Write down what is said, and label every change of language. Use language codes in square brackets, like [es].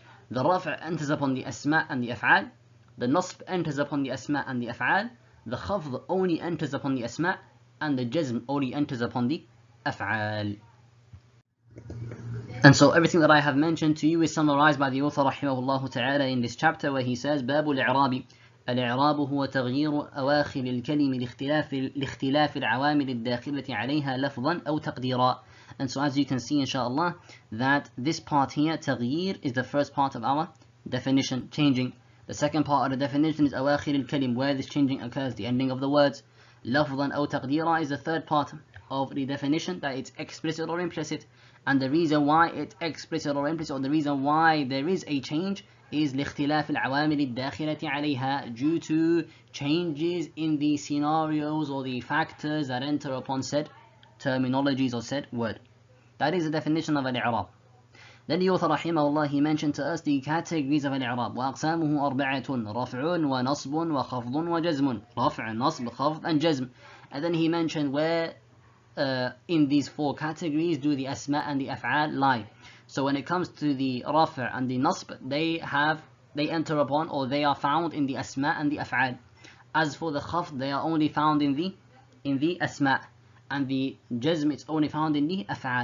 [en] The raf' enters upon the asma' and the af'al. The nasb enters upon the asma' and the af'al. The khafd only enters upon the asma' and the jazm only enters upon the af'al. And so everything that I have mentioned to you is summarized by the author [ar] رحمه تعالى [en] in this chapter where he says [ar] باب الإعراب. الإعراب هو تغيير أواخر الكلم لاختلاف العوامل الداخلة عليها لفظا أو تقديرا. [en] And so as you can see inshallah that this part here, تغيير, is the first part of our definition, changing. The second part of the definition is [ar] أواخر الكلم, [en] where this changing occurs, the ending of the words. [ar] لفظا أو تقديرا [en] is the third part of the definition, that it's explicit or implicit. And the reason why it's explicit or implicit, or the reason why there is a change, is [ar] لاختلاف العوامل الداخلة عليها, [en] due to changes in the scenarios or the factors that enter upon said terminologies or said word. That is the definition of al-i'rab. Then the author [ar] رحمه الله, [en] he mentioned to us the categories of al-i'rab. [ar] وأقسامه أربعة: رفع ونصب وخفض وجزم. رفع, نصب, خفض, and جزم. [en] And then he mentioned where in these four categories do the asma and the af'al lie. So when it comes to the rafa' and the nasb, they enter upon or they are found in the asma and the af'al. As for the khafd, they are only found in the asma, and the jazm is only found in the af'al.